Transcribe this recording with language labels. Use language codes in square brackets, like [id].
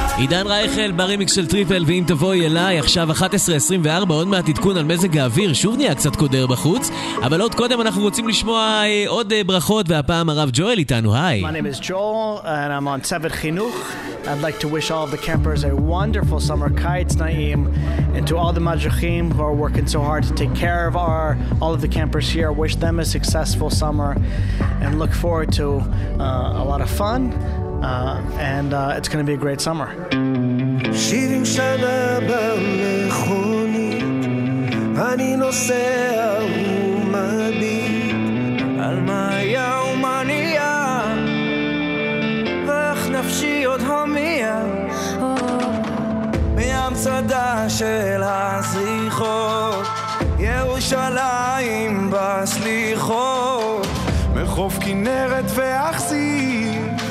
[he] דן רייכל ברימיקס של טריפל ואם תבואי אליי עכשיו 11:24 עוד מעט עדכון על מזג האוויר שוב נהיה קצת קודר בחוץ אבל עוד קודם אנחנו רוצים לשמוע עוד ברכות והפעם הרב ג'ואל איתנו היי [en] My name is Joel and I'm on צוות חינוך I'd like to wish all of the campers a wonderful summer kites naim and to all the madrachim who are working so hard to take care of our all of the campers here wish them a successful summer and look forward to a lot of fun it's going to be a great summer. [he] שירים שנה במכונית אני נוסע ומביט על מאיה ומניה ואך נפשי עוד הומיה מים צדה של הזריחות ירושלים בסליחות מחוף כנרת ואכזיב